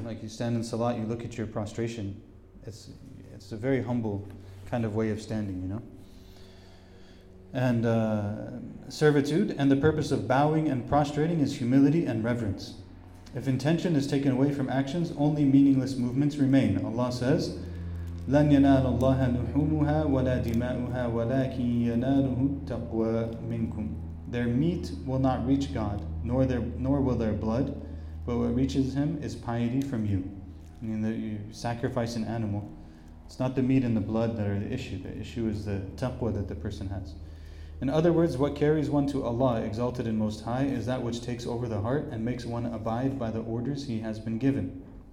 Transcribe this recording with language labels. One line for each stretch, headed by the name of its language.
English: Like you stand in Salat, you look at your prostration, it's a very humble kind of way of standing, you know. And servitude, and the purpose of bowing and prostrating is humility and reverence. If intention is taken away from actions, only meaningless movements remain. Allah says,
Arabic: لَنْ يَنَالَ اللَّهَ لُحُومُهَا وَلَا دِمَاؤُهَا وَلَاكِنْ يَنَالُهُ التَّقْوَى مِنْكُمْ.
English: Their meat will not reach God, nor will their blood, but what reaches Him is piety from you. I mean, that you sacrifice an animal. It's not the meat and the blood that are the issue. The issue is the taqwa that the person has. In other words, what carries one to Allah, exalted and most high, is that which takes over the heart and makes one abide by the orders he has been given.